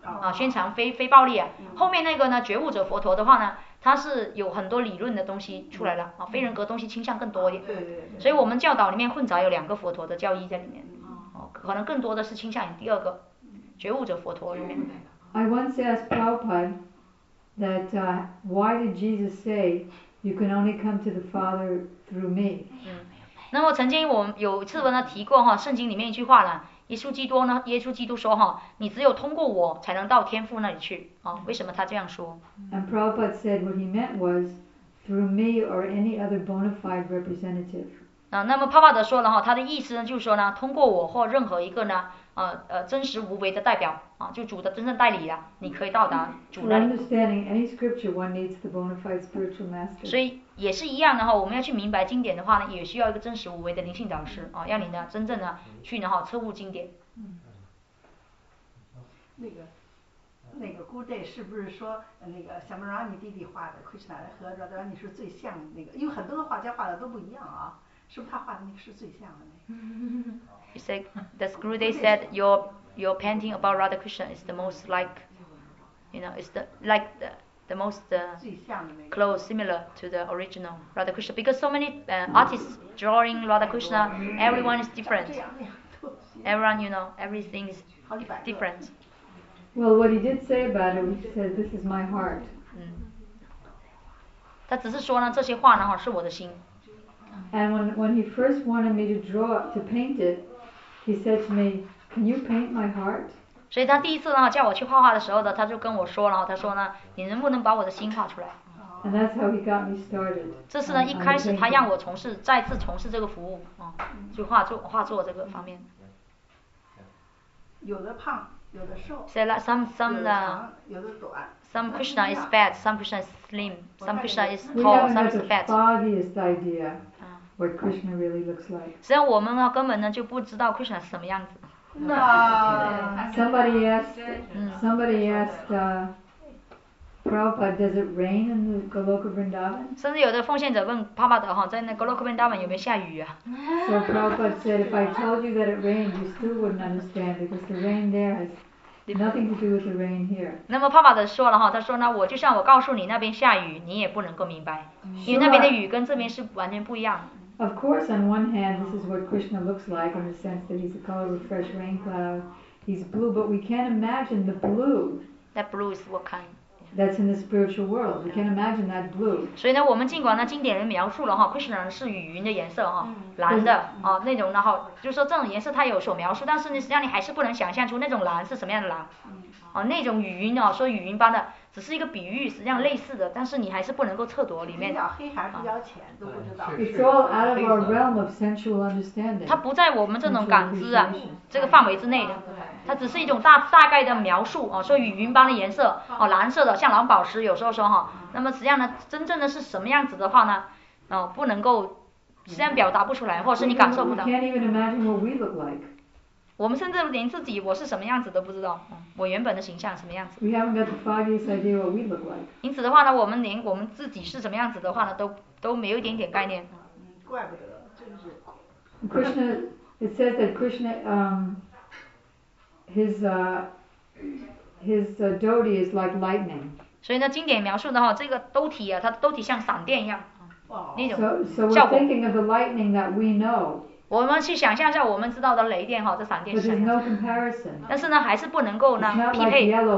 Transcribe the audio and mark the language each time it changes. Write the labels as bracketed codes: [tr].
[zh] 啊，宣传非暴力啊。后面那个呢，觉悟者佛陀的话呢，他是有很多理论的东西出来了啊，非人格东西倾向更多一点。对对对。所以我们教导里面混杂有两个佛陀的教义在里面，哦，可能更多的是倾向于第二个，觉悟者佛陀里面。 [en] I once asked Prabhupada that why did Jesus say you can only come to the Father through me？ [zh] 那么曾经我们有次文呢提过哈，圣经里面一句话呢，耶稣基督说哈，你只有通过我才能到天父那里去啊。为什么他这样说 [en] ？And Prabhupada said what he meant was through me or any other bona fide representative。 [zh] 啊，那么帕帕德说了哈，他的意思呢就是说呢，通过我或任何一个呢，真实无为的代表啊，就主的真正代理啊，你可以到达主那里。 [en] For understanding any scripture, one needs the bona fide spiritual master。 [zh] 所以也是一样的哈，我们要去明白经典的话呢，也需要一个真实无为的灵性导师啊，让你呢真正的去呢哈彻悟经典。嗯。那个 Gurudev 是不是说那个 Samarani 弟弟画的 Krishna 和 Radharani 是最像那个？因为很多的画家画的都不一样啊，是不是他画的那个是最像的那个？ [en] He said, the Gurudev said your painting about Radha Krishna is the most like, you know, is the most close, similar to the original Radha Krishna. Because so many artists drawing Radha Krishna, everyone is different. Everyone, you know, everything is different. Well, what he did say about it, he said, this is my heart. [zh] 他只是说呢，这些画呢，是我的心。 [en] And when he first wanted me to draw, to paint it,He said to me, "Can you paint my heart?" [zh] 所以他第一次呢叫我去画画的时候呢，他就跟我说了，他说呢，你能不能把我的心画出来 [en] ？And that's how he got me started. [zh] 这是呢一开始他让我从事再次从事这个服务啊，就画作这个方面。有的胖，有的瘦。 [en] Say like some [zh] 的。有的短。 [en] Some Krishna is fat, some Krishna is slim, some Krishna is tall, some is fat. We have the foggiest idea. What Krishna really looks like. [zh] 实际上我们呢根本呢就不知道 Krishna 是什么样子。那 [en] Somebody asked Prabhupada, does it rain in the Goloka Vrindavan? [zh] 甚至有的奉献者问帕帕德哈，在那 Goloka Vrindavan 有没有下雨啊 [en] ？So Prabhupada said, if I told you that it rained, you still wouldn't understand because the rain there has nothing to do with the rain here. [zh] 那么帕帕德说了哈，他说呢，我就像我告诉你那边下雨，你也不能够明白，因为那边的雨跟这边是完全不一样。 [en] Of course, on one hand, this is what Krishna looks like in the sense that he's a color of fresh rain cloud. He's blue, but we can't imagine the blue. That blue is what kind? That's in the spiritual world. We can't imagine that blue. [zh] 所以呢，我们尽管呢，经典人描述了哈 ，Krishna 是雨云的颜色哈，蓝的啊那种的哈，就是说这种颜色它有所描述，但是呢，实际上你还是不能想象出那种蓝是什么样的蓝。啊，那种雨云啊，说雨云般的。只是一个比喻，实际上类似的，但是你还是不能够测度里面。比较黑还是比较浅，啊、都不知道。 [en] It's all out of our realm of sensual understanding. [zh] 它不在我们这种感知啊这个范围之内的，它只是一种大概的描述啊，说雨云般的颜色啊，蓝色的像蓝宝石，有时候说哈、啊，那么实际上呢，真正的是什么样子的话呢，啊，不能够实际上表达不出来，或者是你感受不到。 [en] We can't even imagine what we look like. [zh] 我们甚至连自己我是什么样子都不知道，我原本的形象什么样子。 [en] We haven't got the foggiest idea what we look like. [zh] 因此的话呢，我们连我们自己是什么样子的话呢，都没有一点点概念。怪不得，真是。 [en] Krishna, it says that Krishna, his dhoti is like lightning. [zh] 所以呢，经典描述的哈，这个兜体啊，它的兜体像闪电一样，那种效果。 [en] So we're thinking of the lightning that we know. [zh] 我们去想象一下我们知道的雷电哈，这闪电是什么？但是呢，还是不能够呢匹配。